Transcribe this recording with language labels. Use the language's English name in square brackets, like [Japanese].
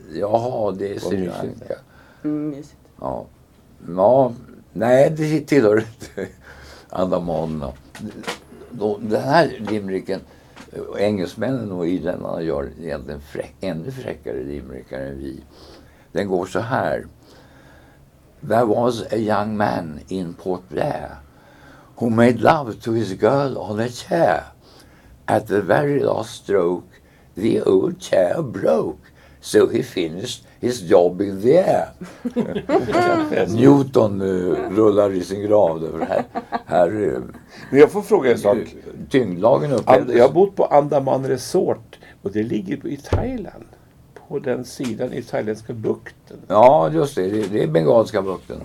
[Swedish] Jaha, det är Sri Lanka. Mysigt. Ja. Nej, det tillhör inte Andamanerna. Den här limriken. Engelsmännen och irländarna gör egentligen ännu fräckare limerickar än vi. Den går så här. [English] There was a young man in Port Blair who made love to his girl on a chair. At the very last stroke the old chair broke, so he finished his job in the air. [Swedish] Newton rullar i sin grav över det här. Men jag får fråga en sak. Tyngdlagen upphävdes. Jag har bott på Andaman Resort och det ligger i Thailand. På den sidan i thailändska bukten. Ja, just det. Det är bengalska bukten.